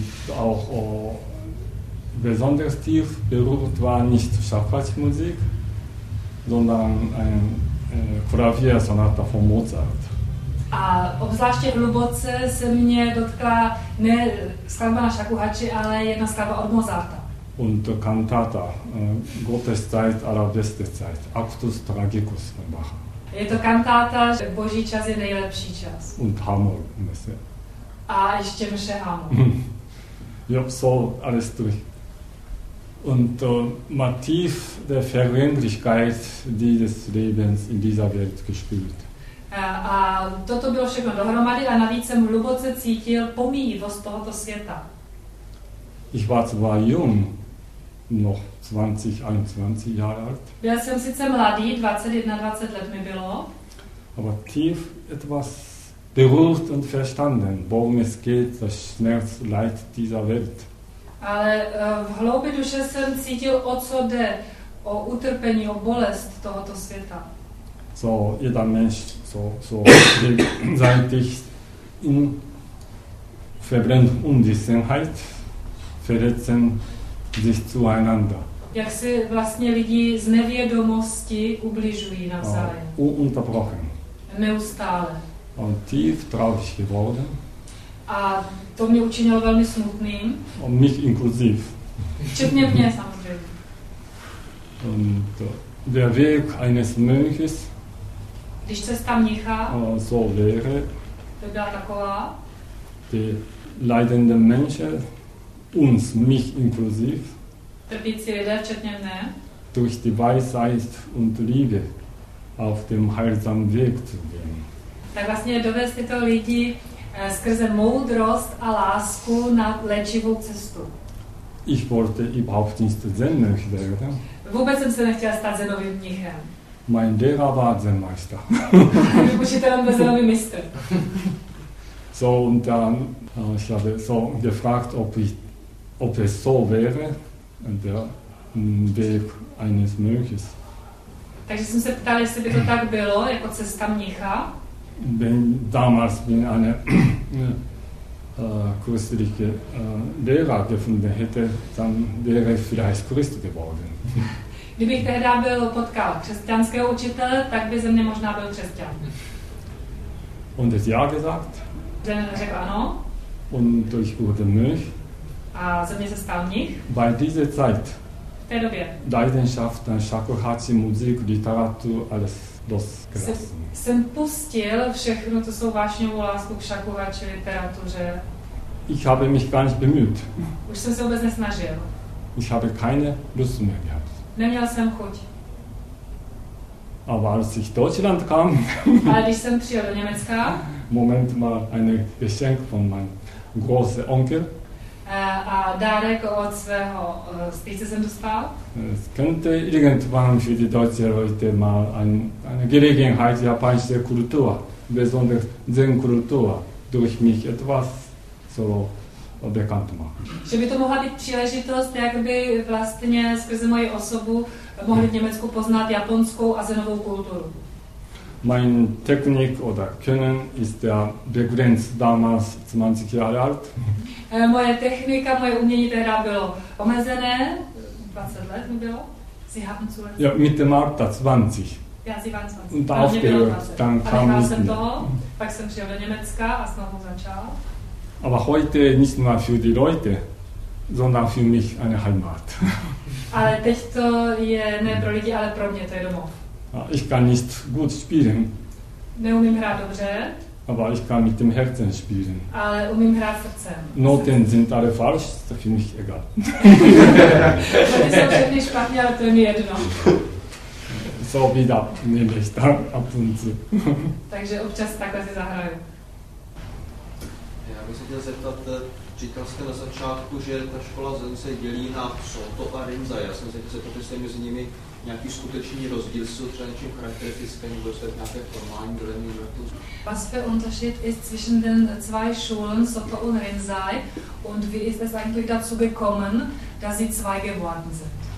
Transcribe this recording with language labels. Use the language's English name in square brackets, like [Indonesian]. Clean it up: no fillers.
[German] Auch besonders tief berührt war nicht Schachmatt-Musik, sondern ein Klaviersonata von Mozart. [Czech] A obzvláště hluboce se mě dotkla ne skladba na šakuhači, ale jedna skladba od Mozarta. [German] Und Kantata, Gottes Zeit aller beste Zeit, Actus Tragicus von Bach. [Czech] Je to kantáta, že boží čas je nejlepší čas. [German] Und Hamel, [Czech] myslím. A ještě mše Hamel. [German] Jo, so, alles durch. Und Motiv der Vergänglichkeit dieses Lebens in dieser Welt gespielt. [Czech] A toto bylo všechno dohromady a navíc jsem hluboce cítil pomíjivost tohoto světa. [German] Ich war zwar jung, noch 20, 21 Jahre alt. [Czech] Byl jsem sice mladý, 21, 20 let mi bylo. [German] Aber tief etwas berührt und verstanden, worum es geht, das Schmerz, Leid dieser Welt. [Czech] Ale v hloubi duše jsem cítil, o co jde, o utrpení, o bolest tohoto světa. [German] So, jeder Mensch, so gegenseitig in verbrennt Unwissenheit, verletzen sich zueinander. [Czech] Jak si vlastně lidi z nevědomosti ubližují navzájem. [German] Ununterbrochen. [Czech] Neustále. [German] Und tief traurig geworden. [Czech] A to mě učinilo velmi smutným. [German] Und mich inklusiv. [Czech] Včetně mě samozřejmě. [German] Und der Weg eines Mönches. [Czech] Když cesta mnicha. [German] So wäre. [Czech] To byla taková. [German] Die leidende Menschen. Uns, mich inklusiv. [Czech] Trpící lidé, včetně mne. [German] Durch die Weisheit und Liebe auf dem heilsamen Weg zu gehen. [Czech] Tak vlastně dovést tyto lidi skrze moudrost a lásku na léčivou cestu. [German] Ich wollte überhaupt nicht Zen-Mönch werden. [Czech] Vůbec jsem se nechtěla stát Zenovým mnichem. [German] Mein Lehrer war Zen-Meister. [Czech] Učitel byl Zenový mistr. [German] So, und dann ich habe so gefragt, ob es so wäre, der Weg eines Mönches. [Czech] Takže jsem se ptal, jestli by to tak bylo, jako cesta mnicha. [German] Damals bin eine christliche Lehrer gefunden hätte, dann wäre ich vielleicht Christ geworden. [Czech] Kdybych tehda byl potkal křesťanského učitele, tak by ze mě možná byl křesťan. [German] Und es ja gesagt. [Czech] Ten řekl ano. [German] Und ich wurde Mönch. [Czech] A ze mě se stal mnich. [German] Bei dieser Zeit. [Czech] V té době. [German] Leidenschaft, Shakuhachi, Musik, Literatur, alles. [Czech] Jsem pustil všechno, to jsou vášňovou lásku k šakovači, literatuře. [German] Ich habe mich gar nicht bemüht. [Czech] Už jsem se vůbec nesnažil. Ich habe keine Lust mehr gehabt. Neměl jsem chuť. [German] Aber als ich Deutschland kam, [Czech] ale když jsem přijel do Německa, [German] Moment mal, ein Geschenk von meinem großen Onkel. [Czech] A dárek od svého strýce jsem dostal. [German] Es könnte irgendwann für die deutsche Leute mal eine Gelegenheit, japanische Kultur, besonders Zen-Kultur, durch mich etwas so bekannt machen. [Czech] Že by to mohla být příležitost, jak by vlastně skrze moji osobu mohli v Německu poznat japonskou a zenovou kulturu. [German] Mein Technik oder Können ist der begrenzt damals 20 Jahre alt. [Czech] Moje technika, moje umění tehda bylo omezené, 20 let mi bylo. [German] Sie haben zu ja, mit dem Alter 20. Ja, sie waren 20. Und aufgehört, dann kam ich nicht. [Czech] Pak jsem přijel do Německa a snovu začal. [German] Aber heute nicht nur für die Leute, sondern für mich eine Heimat. [Czech] Ale teď to je ne pro lidi, ale pro mě, to je domov. [German] Ich kann nicht gut spielen. [Czech] Neumím hrát dobře. [German] Aber ich kann mit dem Herzen spielen. [Czech] Ale umím hrát srdcem. [German] Noten sind alle falsch, to finde ich egal. [Czech] Noty jsou všechny špatně, ale to je mi jedno. [German] So wieder, nehme ich da ab und zu. [Czech] Takže občas takhle si zahraju. Já bych se chtěl zeptat, říkal jste na začátku, že ta škola Zen se dělí na Soto a Rinza. Já jsem se chtěl zeptat, jestli mezi nimi nějaký skutečný rozdíl, jsou třeba něčím charakteristické, nebo jsou nějaké formální dělení metu. [German] Was für Unterschied ist zwischen den zwei Schulen Soto und Rinzai und wie ist es eigentlich dazu gekommen, dass sie zwei geworden sind?